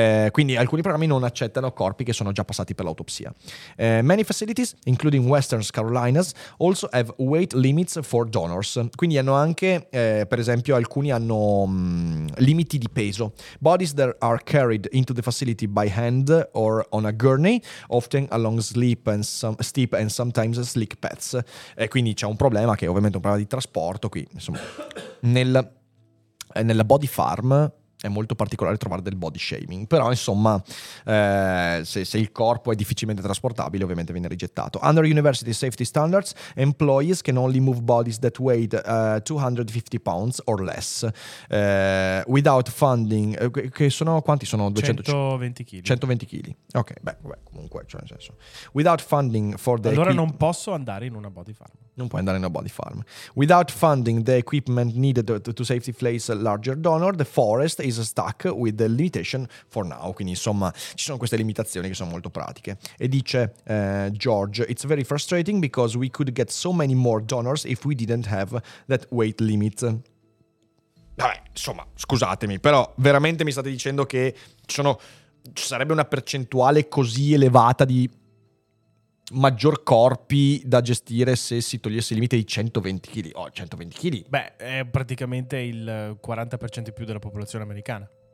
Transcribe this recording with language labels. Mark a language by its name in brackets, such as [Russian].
[Italian] Quindi alcuni programmi non accettano corpi che sono già passati per l'autopsia. [English] Many facilities, including Western Carolinas, also have weight limits for donors. [Italian] Quindi hanno anche, per esempio, alcuni hanno limiti di peso. [English] Bodies that are carried into the facility by hand or on a gurney, often along steep and sometimes slick paths. [Italian] Quindi c'è un problema, che è ovviamente un problema di trasporto qui. Insomma, nella body farm è molto particolare trovare del body shaming, però insomma se il corpo è difficilmente trasportabile ovviamente viene rigettato. [English] Under university safety standards, employees can only move bodies that weigh 250 pounds or less without funding, [Italian] che sono quanti? Sono 120 kg. Ok, beh, comunque, cioè, nel senso, [English] without funding for the [Italian] allora non posso andare in una body farm. Non puoi andare in una body farm. [English] Without funding the equipment needed to safely place a larger donor, the forest is stuck with the limitation for now. [Italian] Quindi insomma ci sono queste limitazioni che sono molto pratiche. E dice [English] George, it's very frustrating because we could get so many more donors if we didn't have that weight limit. [Italian] Vabbè, insomma, scusatemi, però veramente mi state dicendo che ci sarebbe una percentuale così elevata di maggior corpi da gestire se si togliesse il limite di 120 kg. Oh, 120 kg. Beh, è praticamente il 40% in più della popolazione americana.